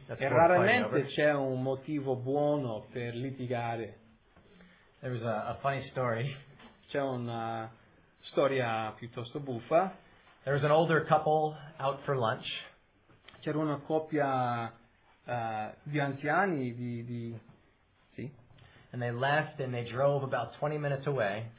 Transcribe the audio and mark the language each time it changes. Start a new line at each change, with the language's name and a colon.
Italian: E raramente c'è un motivo buono per litigare.
English: There was a funny story.
Italian: C'è una storia piuttosto buffa.
English: There was an older couple out for lunch.
Italian: C'era una coppia di anziani di sì.
English: And they left and they drove about 20 minutes away.